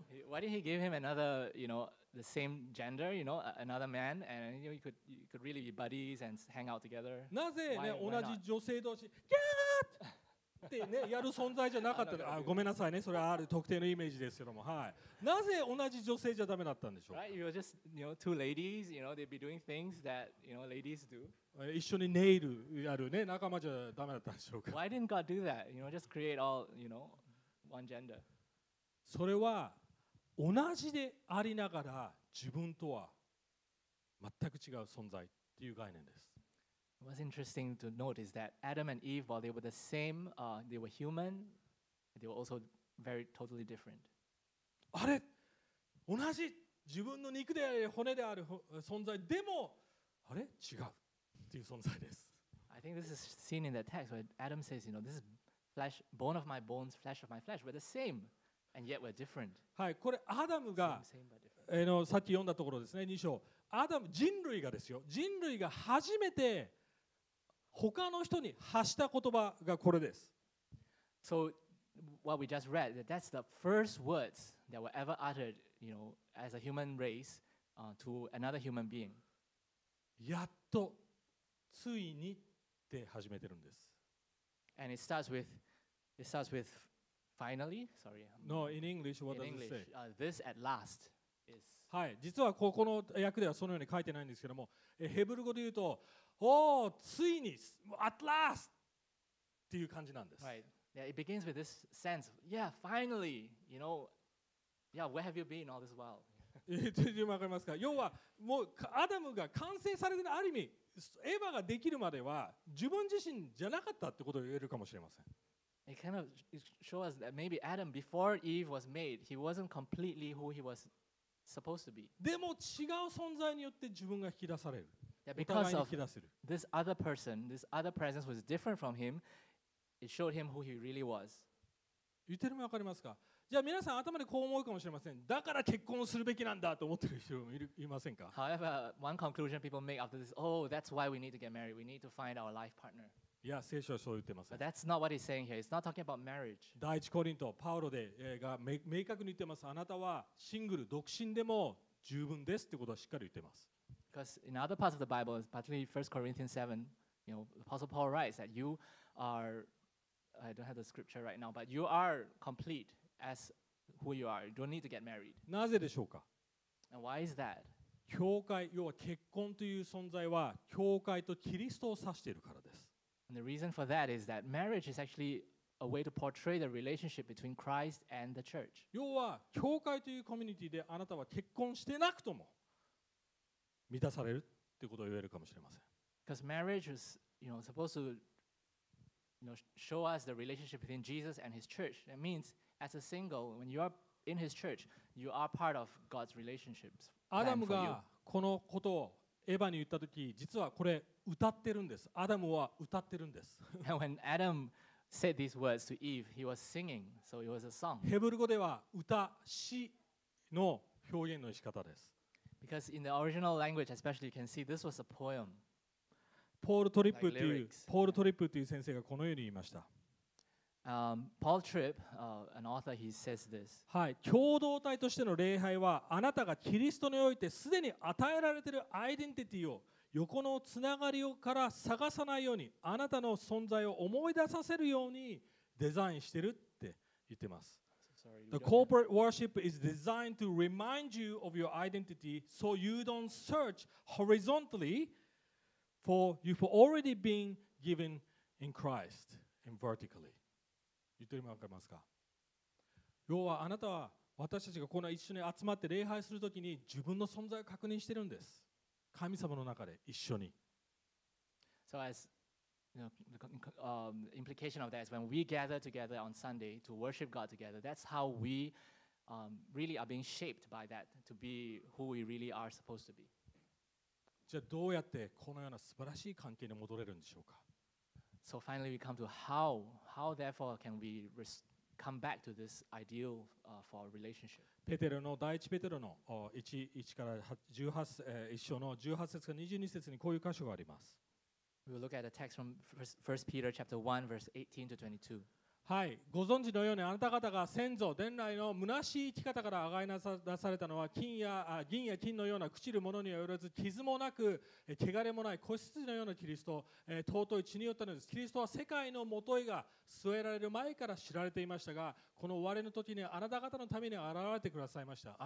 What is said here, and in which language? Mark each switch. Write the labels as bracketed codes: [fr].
[en] Why didn't he give him another you know the same gender you know another man and you know you could really be buddies and hang out together [ja] なぜ、ね、why, 同じ女性同士ギャーッって、ね、やる存在じゃなかったのあごめんなさいねそれはある特定のイメージですけども、はい、なぜ同じ女性じゃダメだったんでしょうか [en] right, you were just you know, two ladies you know, they'd be doing things that you know, ladies do [ja] 一緒にネイルやる、ね、仲間じゃダメだったんでしょうか [en] why didn't God do that you know, just create all you know, one gender [ja] それは同じでありながら自分とは全く違う存在っていう概念です [en] What's interesting to note is that Adam and Eve, while they were the same, they were human, they were also very totally different. [ja] あれ、同じ自分の肉であり骨である存在でも、あれ違うっていう存在です。 [en] I think this is seen in the text where Adam says, you know, this is flesh, bone of my bones, flesh of my flesh. We're the same, and yet we're different. [ja] はい、これアダムが、さっき読んだところですね、2章。アダム、人類がですよ、人類が初めて他の人に発した言葉がこれです。 [en] So what we just read, that's the first words that were ever uttered, you know, as a human race, to another human being. [ja] やっとついにって始めてるんです。 [en] And it starts with finally. Sorry. No, in English, what does it say? This at last is. [ja] はい、実はここの訳ではそのように書いてないんですけども、ヘブル語で言うと。おお、ついに、 [en] at last! [ja] っていう感じなんです。 [en] Right. Yeah, it begins with this sense. Yeah, finally! You know, yeah, where have you been all this while? [ja] わかりますか要は、もうアダムが完成されてない、ある意味、エヴァができるまでは、自分自身じゃなかったってことを言えるかもしれません。 [en] It kind of shows us that maybe Adam, before Eve was made, he wasn't completely who he was supposed to be. [ja] でも違う存在によって自分が引き出される。 [en] Yeah, because of this other person, this other presence was different from him, it showed him who he really was. [ja] 言ってるのわかりますか？じゃあ皆さん頭でこう思うかもしれません。だから結婚するべきなんだと思ってる人もいませんか？ [en] However, one conclusion people make after this, oh, that's why we need to get married. We need to find our life partner. [ja] いや、聖書はそう言ってません。 [en] But that's not what he's saying here. It's not talking about marriage. [ja] 第一コリント、パウロで、が明確に言ってます。あなたはシングル、独身でも十分ですってことはしっかり言ってます。 [en] Because in other parts of the Bible, particularly 1 Corinthians 7, you know, Apostle Paul writes that you are, I don't have the scripture right now, but you are complete. As who you are, you don't need to get married. [ja] なぜでしょうか? [en] And why is that? [ja] 教会、要は結婚という存在は教会とキリストを指しているからです。 [en] And the reason for that is that marriage is actually a way to portray the relationship between Christ and the church. [ja] 要は教会というコミュニティであなたは結婚してなくとも満たされるということを言えるかもしれません。 [en] Because marriage is, you know, supposed to, you know, show us the relationship between Jesus and His church. That means. As a single, when you are in his church, you are part of God's relationships. [ja] Adam がこのことをエヴァに言ったとき、実はこれ歌ってるんです。 Adam は歌ってるんです。 [en] And when Adam said these words to Eve, he was singing, so it was a song. [ja] ヘブル語では歌、詩の表現の仕方です。 [en] Because in the original language, especially, you can see this was a poem. [ja] ポール・トリップという先生がこのように言いました。 [en] Paul Tripp, an author, he says this. [ja] はい、共同体としての礼拝はあなたがキリストにおいてすでに与えられているアイデンティティを横のつながりをから探さないようにあなたの存在を思い出させるようにデザインしてるって言ってます。 [en] Sorry, The corporate worship is designed to remind you of your identity so you don't search horizontally for you've already been given in Christ and vertically. [ja] 言ってるのわかりますか。要はあなたは私たちがこの一緒に集まって礼拝するときに自分の存在を確認してるんです。神様の中で一緒に。 [en] So as you know, implication of that is when we gather together on Sunday to worship God together, that's how we really are being shaped by that to be who we really are supposed to be. [ja] じゃあどうやってこのような素晴らしい関係に戻れるんでしょうか。 [en] So finally, we come to how. How therefore can we come back to this ideal for a relationship? [ja] ペテロの第一ペテロの1から18章の18節から22節にこういう箇所があります。 [en] We'll look at a text from 1 Peter chapter 1, verse 18 to 22. [ja] はい、ご存知のようにあなた方が先祖伝来の虚しい生き方からあがいなされたのは金や銀や金のような朽ちるものによらず傷もなく汚れもない子羊のようなキリスト尊い血によったのです。キリストは世界のもといが据えられる前から知られていましたが、この終わりの時にあなた方のために現れてくださいました。